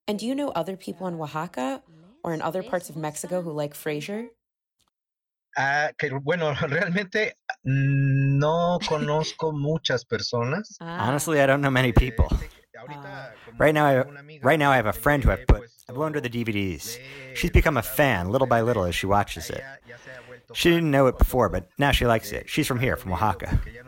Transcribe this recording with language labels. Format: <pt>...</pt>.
<en>And do you know other people in Oaxaca or in other parts of Mexico who like Frasier?</en> <es>Bueno, realmente no conozco muchas personas.</es> <en>Honestly, I don't know many people. Right now, I have a friend who I've put under the DVDs. She's become a fan little by little as she watches it. She didn't know it before, but now she likes it. She's from here, from Oaxaca.</en>